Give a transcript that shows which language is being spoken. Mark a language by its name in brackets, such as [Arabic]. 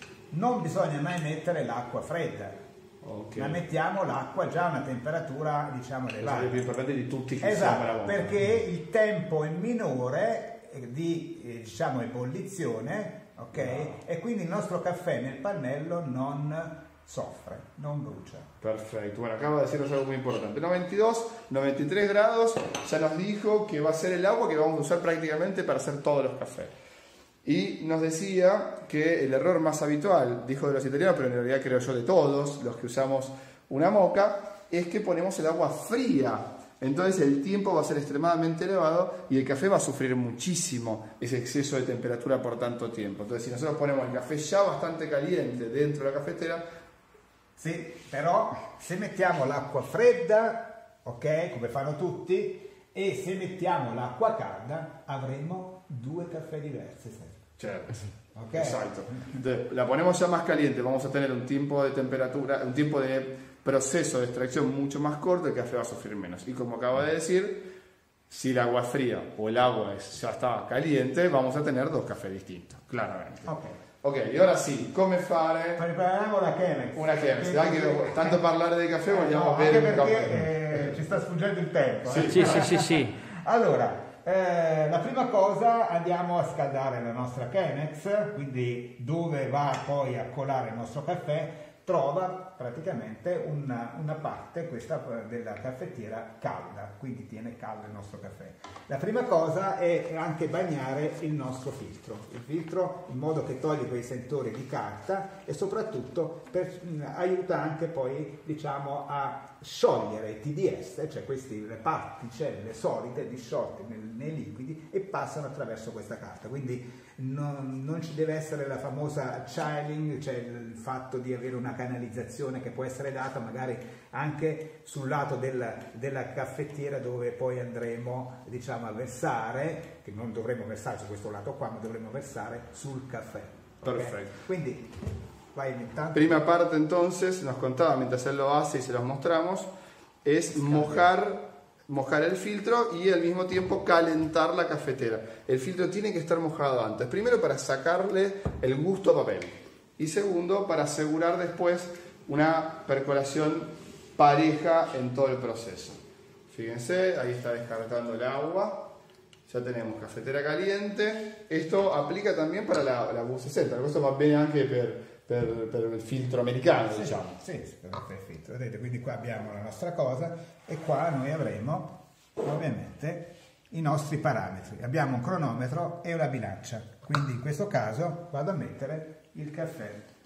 [Italian] Non bisogna mai mettere l'acqua fredda. Okay. Ma mettiamo l'acqua già a una temperatura, diciamo, elevata. Sono più importante di tutti che esatto, siamo la moka. Perché il tempo è minore di, diciamo, ebollizione, ok? Wow. E quindi il nostro caffè nel pannello non... soffre, non brucia. [Spanish] Perfecto, bueno, acaba de deciros algo muy importante. 92, 93 grados, ya nos dijo que va a ser el agua que vamos a usar prácticamente para hacer todos los cafés. Y nos decía que el error más habitual, dijo de los italianos, pero en realidad creo yo de todos los que usamos una moca, es que ponemos el agua fría. Entonces el tiempo va a ser extremadamente elevado y el café va a sufrir muchísimo ese exceso de temperatura por tanto tiempo. Entonces si nosotros ponemos el café ya bastante caliente dentro de la cafetera, [Italian] sì, però se mettiamo l'acqua fredda, ok, come fanno tutti, e se mettiamo l'acqua calda, avremo due caffè diversi. Certo, okay? Esatto. [Spanish] La ponemos ya más caliente, vamos a tener un tiempo de temperatura, un tiempo de proceso de extracción mucho más corto, el café va a sufrir menos. Y como acabo de decir, si el agua es fría o el agua ya está caliente, vamos a tener dos cafés distintos, claramente. Ok. [Italian] Ok, e ora sì, come fare? Prepariamo la Chemex. Una Chemex, anche tanto parlare di caffè vogliamo bere un caffè. Ci sta sfuggendo il tempo. Sì, sì, sì, sì, sì. Allora, la prima cosa, andiamo a scaldare la nostra Chemex, quindi dove va poi a colare il nostro caffè, trova praticamente una parte, questa della caffettiera, calda, quindi tiene caldo il nostro caffè. La prima cosa è anche bagnare il nostro filtro, in modo che togli quei sentori di carta e soprattutto aiuta anche poi, diciamo, a sciogliere i TDS, cioè queste particelle solide disciolte nei liquidi e passano attraverso questa carta. Quindi non ci deve essere la famosa chilling, cioè il fatto di avere una canalizzazione che può essere data magari anche sul lato della caffettiera dove poi andremo, diciamo, a versare, che non dovremmo versare su questo lato qua, ma dovremmo versare sul caffè. Okay? Perfetto. Quindi vai intanto. Prima parte, [Spanish] entonces, nos contaba mientras él lo hace y se los mostramos, es mojar. Mojar el filtro y al mismo tiempo calentar la cafetera. El filtro tiene que estar mojado antes. Primero para sacarle el gusto a papel. Y segundo para asegurar después una percolación pareja en todo el proceso. Fíjense, ahí está descartando el agua. Ya tenemos cafetera caliente. Esto aplica también para la V60. Esto va bien también [Italian] per il filtro americano, sì, diciamo. Sì, per il filtro. Vedete, quindi qua abbiamo la nostra cosa e qua noi avremo ovviamente i nostri parametri. Abbiamo un cronometro e una bilancia. Quindi in questo caso vado a mettere il caffè.